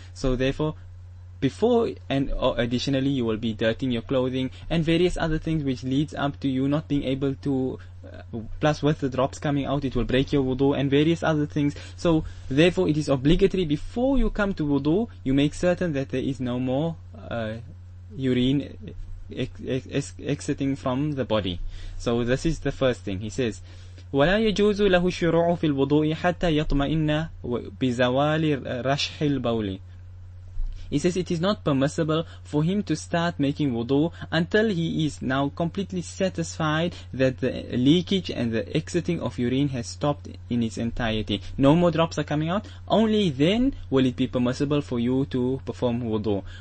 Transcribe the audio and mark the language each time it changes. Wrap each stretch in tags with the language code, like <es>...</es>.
<en>So therefore, before and additionally, you will be dirtying your clothing and various other things which leads up to you not being able to, plus with the drops coming out, it will break your wudu and various other things. So therefore, it is obligatory before you come to wudu, you make certain that there is no more urine exiting from the body. So this is the first thing. He says,</en> <ar>وَلَا يَجُوزُ لَهُ الشُّرُوعُ فِي الْوُضُوءِ حَتَّى يَطْمَئِنَّ بِزَوَالِ رَشْحِ الْبَوْلِ.</ar> <en>He says it is not permissible for him to start making wudu until he is now completely satisfied that the leakage and the exiting of urine has stopped in its entirety. No more drops are coming out. Only then will it be permissible for you to perform wudu.</en>